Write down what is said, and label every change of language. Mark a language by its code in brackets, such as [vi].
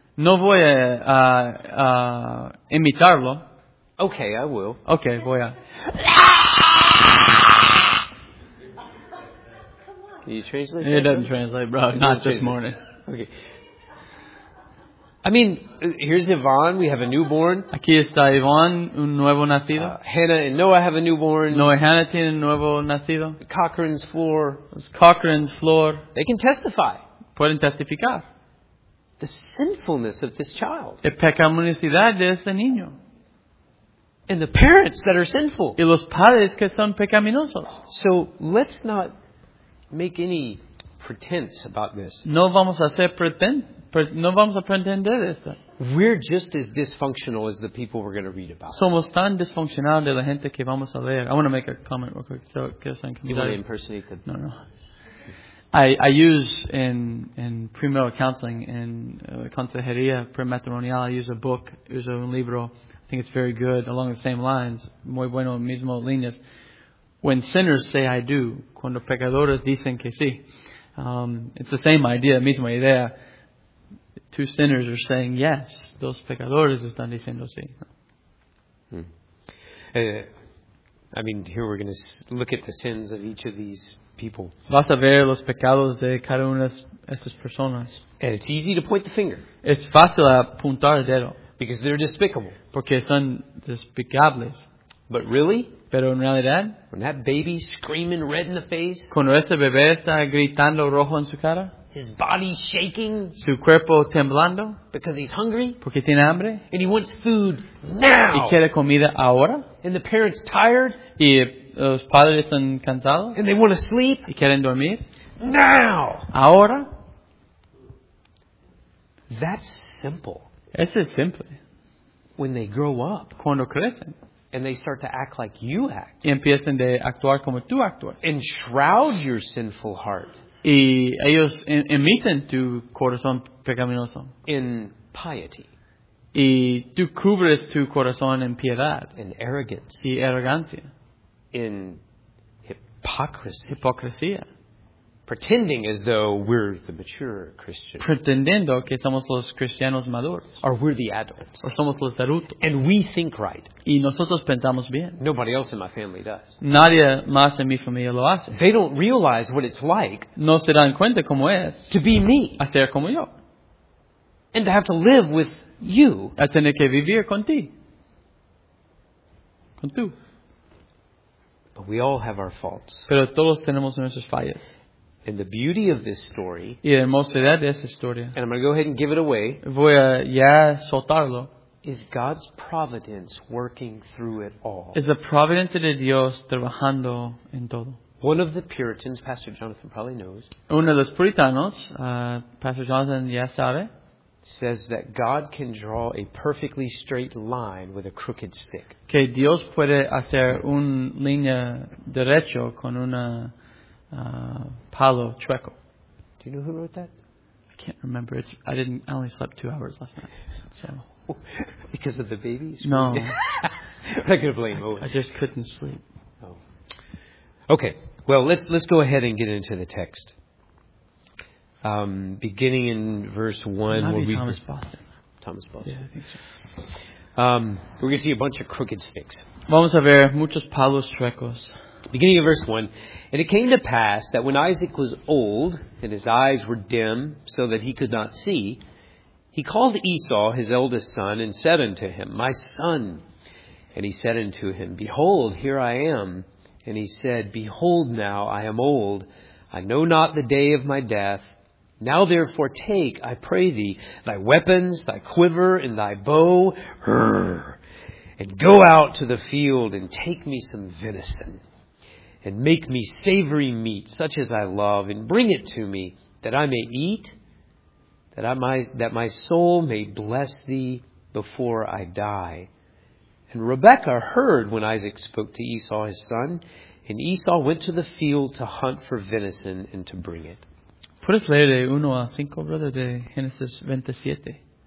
[es] No voy a imitarlo. [en] Okay, I will. [es] Okay, voy a... [en] Can you translate? It doesn't translate, bro. Not this morning. Okay. I mean, here's Yvonne. We have a newborn. [es] Aquí está Yvonne, un nuevo nacido. [en] Hannah and Noah have a newborn. [es] Noah, Hannah tiene un nuevo nacido. [en] Cochran's floor. It's Cochran's floor. They can testify. [es] Pueden testificar. [en] The sinfulness of this child. [es] La pecaminosidad de ese niño. [en] And the parents that are sinful. [es] Y los padres que son pecaminosos. [en] So let's not make any pretense about this. [es] No vamos a hacer no vamos a pretender esto. [en] We're just as dysfunctional as the people we're going to read about. [es] Somos tan disfuncional de la gente que vamos a leer. [en] I want to make a comment real quick. So, you want to impersonate them? No. I use in premarital counseling [es] in consejería prematrimonial. [en] I use a book. [es] Uso un libro. [en] I think it's very good along the same lines. [es] Muy bueno, mismo líneas. [en] When sinners say I do, [es] cuando pecadores dicen que sí, [en] it's the same idea, [es] misma idea. [en] Two sinners are saying yes. [es] Dos pecadores están diciendo sí. [en] I mean, here we're going to look at the sins of each of these people. [es] Vas a ver los pecados de cada una de estas personas. [en] And it's easy to point the finger. [es] Es fácil apuntar el dedo. [en] Because they're despicable. [es] Porque son despicables. [en] But really? [es] Pero en realidad, [en] when that baby screaming red in the face, [es] cuando ese bebé está gritando rojo en su cara, [en] his body shaking, [es] su cuerpo temblando, [en] because he's hungry, [es] porque tiene hambre, [en] and he wants food now, [es] y quiere comida ahora, [en] and the parents tired, [es] y los padres están cansados, [en] and they want to sleep, [es] y quieren dormir, [en] now, [es] ahora. [en] That's simple. [es] Eso es simple. [en] When they grow up, [es] cuando crecen. [en] And they start to act like you act. [es] Y empiezan de actuar como tú actúas. [en] Enshroud your sinful heart. [es] Y ellos emiten tu corazón pecaminoso. [en] In piety. [es] Y tú cubres tu corazón en piedad. [en] In arrogance. [es] Y arrogancia. [en] In hypocrisy. [es] Hipocresía. [en] Pretending as though we're the mature Christian. [es] Pretendiendo que somos los cristianos maduros. [en] Or we're the adults. [es] O somos los adultos. [en] And we think right. [es] Y nosotros pensamos bien. [en] Nobody else in my family does. [es] Nadie más en mi familia lo hace. [en] They don't realize what it's like. [es] No se dan cuenta cómo es. [en] To be me. [es] A ser como yo. And to have to live with you. A tener que vivir con ti. Con tú. [en] But we all have our faults. [es] Pero todos tenemos nuestras fallas. [en] And the beauty of this story. [es] Y la hermosidad de esta historia. [en] And I'm going to go ahead and give it away. [es] Voy a ya soltarlo. [en] Is God's providence working through it all? [es] Es la providencia de Dios trabajando en todo. [en] One of the Puritans, Pastor Jonathan probably knows. [es] Uno de los puritanos, Pastor Jonathan ya sabe. [en] Says that God can draw a perfectly straight line with a crooked stick. [es] Que Dios puede hacer un línea derecho con una Paulo Chueco. [en] Do you know who wrote that? I can't remember. I only slept 2 hours last night. So. Because of the babies? No. I could blame Owen. I just couldn't sleep. Oh. Okay. Well, let's go ahead and get into the text. Beginning in verse 1. Maybe we'll Thomas Boston. Thomas Boston. Yeah, I think so. We're going to see a bunch of crooked sticks. Vamos a ver muchos palos chuecos. Beginning of verse 1. And it came to pass that when Isaac was old, and his eyes were dim, so that he could not see, he called Esau, his eldest son, and said unto him, My son. And he said unto him, Behold, here I am. And he said, Behold, now I am old. I know not the day of my death. Now therefore take, I pray thee, thy weapons, thy quiver, and thy bow, and go out to the field, and take me some venison. And make me savory meat, such as I love, and bring it to me, that I may eat, that my soul may bless thee before I die. And Rebekah heard when Isaac spoke to Esau his son, and Esau went to the field to hunt for venison and to bring it. [es] Puedes leer de 1 a 5, brother, de Génesis 27.